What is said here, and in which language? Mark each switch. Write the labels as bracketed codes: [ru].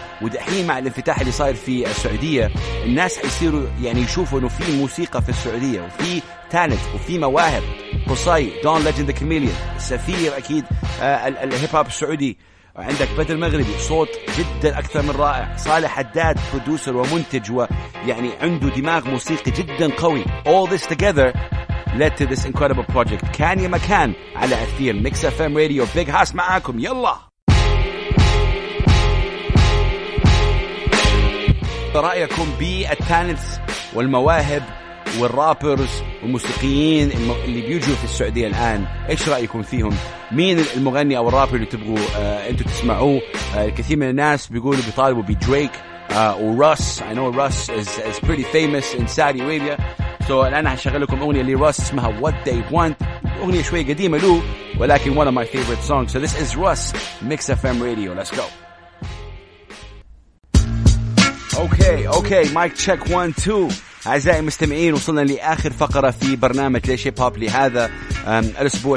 [ar] ودحين مع الانفتاح اللي صاير في السعودية، الناس حيصيروا يعني يشوفوا انه في موسيقى في السعودية وفي تالنت وفي مواهب. قصاي دون ليجند كاميليون، سفير اكيد الهيب هوب السعودي. عندك بدر مغربي صوت جدا اكثر من رائع. صالح حداد برودوسر ومنتج، ويعني عنده دماغ موسيقي جدا قوي. [en] All this together led to this incredible project. [ar] كان يا مكان على اثير Mix FM Radio. Big Hass معاكم، يلا. رأيكم بالتالنتس والمواهب والرابرز والموسيقيين اللي بيجوا في السعودية الآن، إيش رأيكم فيهم؟ مين المغني أو الرابر اللي تبغوا أنتوا تسمعوه؟ الكثير من الناس بيقولوا بيطالبوا بدريك وروس. [en] I know Russ is pretty famous in Saudi Arabia. [ar] So الآن هشغل لكم أغنية لروس اسمها What They Want. أغنية شوية قديمة له، ولكن [en] one of my favorite songs. So this is Russ, Mix FM Radio. Let's go. Okay, mic check 1, 2. [ar] أعزائي المستمعين، وصلنا لآخر فقرة في برنامج ليش هيب هوب لهذا الأسبوع.